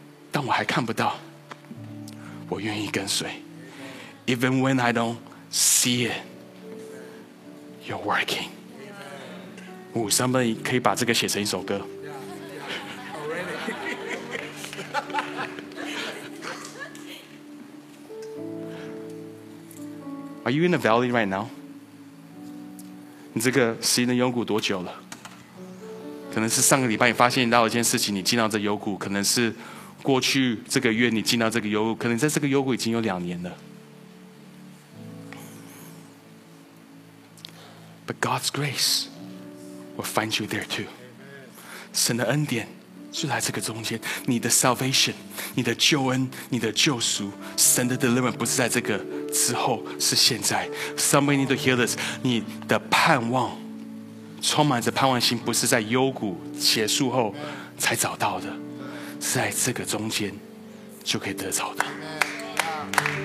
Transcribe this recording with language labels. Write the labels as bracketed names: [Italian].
[Chinese] 当我还看不到，我愿意跟随。 [English] Even when I don't see it, you're working. [Chinese] 哦，somebody 可以把这个写成一首歌。 [English] Are you in the valley right now? [Chinese] 你这个十年的幽谷多久了？可能是上个礼拜你发现到一件事情，你进到这幽谷；可能是过去这个月你进到这个幽谷；可能在这个幽谷已经有两年了。 [English] But God's grace will find you there too. [Chinese] 神的恩典就在这个中间。你的 salvation， 你的救恩，你的救赎，神的 deliverance 不是在这个之后，是现在。 [English] Somebody need to hear this. [Chinese] 你的盼望。充满着盼望心，不是在幽谷结束后才找到的，是在这个中间就可以得着的。